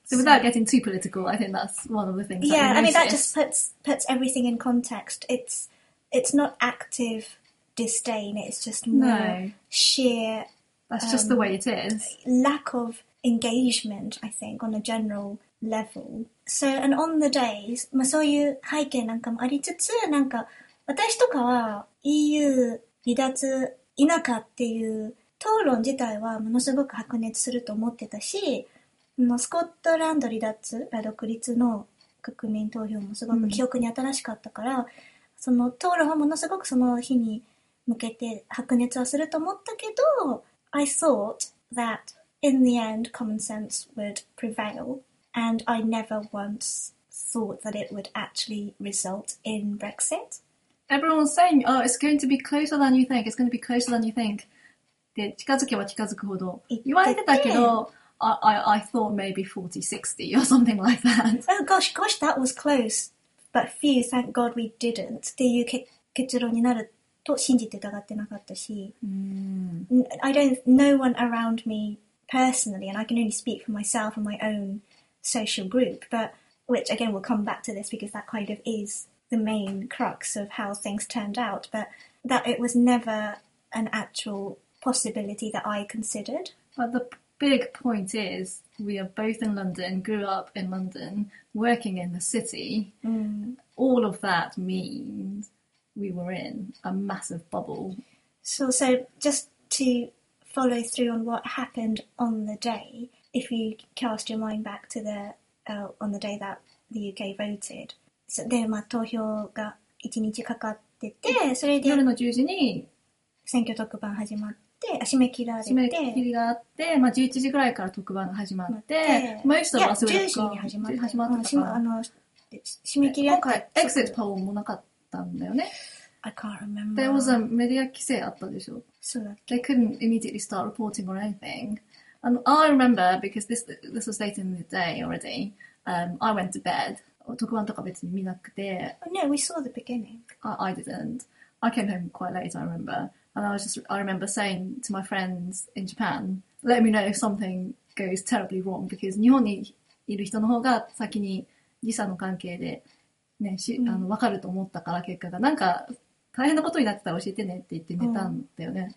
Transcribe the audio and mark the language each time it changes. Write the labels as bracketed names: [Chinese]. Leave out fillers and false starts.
[English] So without getting too political, I think that's one of the things. Yeah, that I mean that just puts everything in context. It's not active disdain. It's just more sheer. That's just the way it is. Lack of engagement, I think, on a general. Level. So, and on the days, [Japanese] まあ、そういう背景なんかもありつつ、なんか私とかは EU 離脱否かっていう討論自体はものすごく白熱すると思ってたし、スコットランド離脱、独立の国民投票もすごく記憶に新しかったから、うん、その討論はものすごくその日に向けて白熱はすると思ったけど、 [English] I thought that in the end common sense would prevail, and I never once thought that it would actually result in Brexit. Everyone's saying, oh, it's going to be closer than you think, it's going to be closer than you think. [Japanese] で、近づけば近づくほど言われてたけど、 [English] I thought maybe 40, 60 or something like that. Oh gosh, that was close. But phew, thank God we didn't. [Japanese] っていう結論になると信じて疑ってなかったし。 [English] I don't, no one around me personally, and I can only speak for myself and my own social group, but which again we'll come back to this because that kind of is the main crux of how things turned out, but that it was never an actual possibility that I considered. But the big point is, we are both in London, grew up in London, working in the city. All of that means we were in a massive bubble. So just to follow through on what happened on the day, if you cast your mind back to the on the day that the UK voted. [Japanese] So, で、まあ、投票が1日かかってて、それで夜の10時に選挙特番始まって、締め切られて、締め切りがあって、まあ、11時ぐらいから特番が始まって、まあ、いや、10時に始まったから、締め切りあって、エクセットポーもなかったんだよね。 [English] I can't remember. There was a media [Japanese] 規制あったでしょ。そうだ [English] っけ。They couldn't immediately start reporting or anything. And I remember, because this was late in the day already, I went to bed. [Japanese] 特番とか別に見なくて。 [English] No, we saw the beginning. I didn't. I came home quite late, I remember. And I remember saying to my friends in Japan, let me know if something goes terribly wrong, because [Japanese] 日本にいる人の方が先に時差の関係で、ね、分かると思ったから結果が、なんか大変なことになってたら教えてねって言って寝たんだよね。